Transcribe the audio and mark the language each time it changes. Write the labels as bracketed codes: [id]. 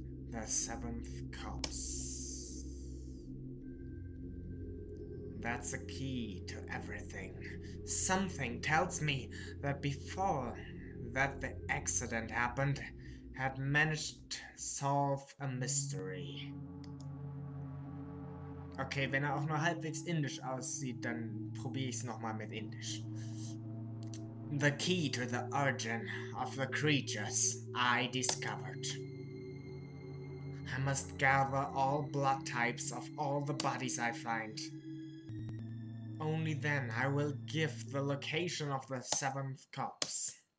[en] The Seventh Corpse. That's a key to everything. Something tells me that before that the accident happened, had managed to solve a mystery. [de] Okay, wenn er auch nur halbwegs indisch aussieht, dann probiere ich es nochmal mit indisch. [en] The key to the origin of the creatures I discovered. I must gather all blood types of all the bodies I find. Only then I will give the location of the seventh corpse.